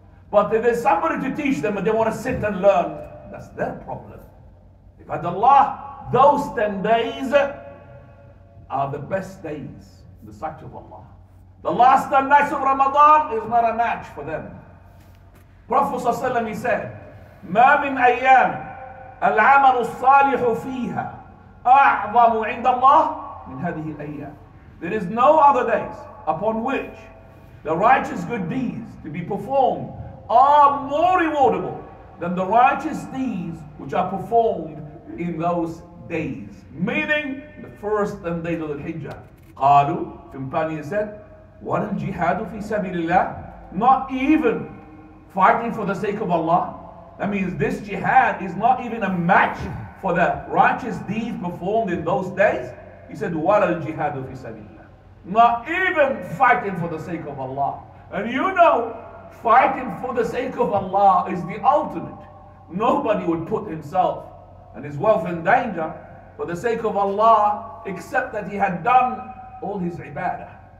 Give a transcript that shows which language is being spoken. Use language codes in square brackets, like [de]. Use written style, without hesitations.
[en] But if there's somebody to teach them and they want to sit and learn, that's their problem. If at Allah, those 10 days are the best days in the sight of Allah. The last 10 nights of Ramadan is not a match for them. [ar] Prophet ﷺ, [en] he said, [ar] مَا مِنْ أَيَّامٍ الْعَمَلُ الصَّالِحُ فِيهَا أَعْظَمُ عِنْدَ اللَّهِ مِنْ هَذِهِ الْأَيَّامِ. [en] There is no other days upon which the righteous good deeds to be performed are more rewardable than the righteous deeds which are performed in those days. Meaning, the first 10 days of the Hijjah. [ar] قَالُوا, [en] companions said, [ar] وَلَا الْجِهَادُ فِي سَبِيلِ اللَّهِ. [en] Not even fighting for the sake of Allah. That means this jihad is not even a match for the righteous deeds performed in those days. He said, [ar] وَلَا الْجِهَادُ فِي سَبِيلِ اللَّهِ. [en] Not even fighting for the sake of Allah. And you know, fighting for the sake of Allah is the ultimate. Nobody would put himself and his wealth in danger for the sake of Allah, except that he had done all his ibadah.